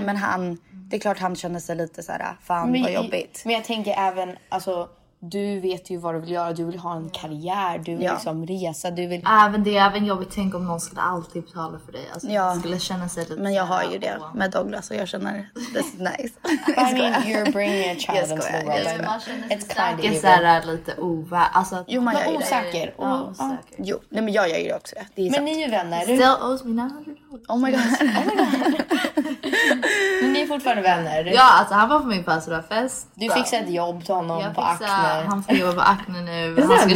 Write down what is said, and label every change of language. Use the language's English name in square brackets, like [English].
[Swedish] Men han, det är klart han känner sig lite så här, fan men, vad jobbigt. Men jag tänker även, alltså, du vet ju vad du vill göra. Du vill ha en karriär. Du vill liksom resa. Du vill... Även det är även jobbigt. Tänk om någon skulle alltid betala för dig. Alltså, skulle känna sig lite... Men jag har ju det med Douglas. Och jag känner... [English] This is nice. I mean, you're bringing a child into the world. [Swedish] Man känner sig säkert såhär lite ovär. Alltså, jo, man gör ju det. Osäker. Jo, nej, men jag gör ju det också. Det är men ni är ju vänner. [English] Still owes me 900. Oh my god. Oh my god. [Swedish] Men ni är fortfarande vänner. Ja, alltså han var på min födelsedagsfest. Du fixade ett jobb till honom på Acne. Han får jobba på Acne nu. Han ska amazing?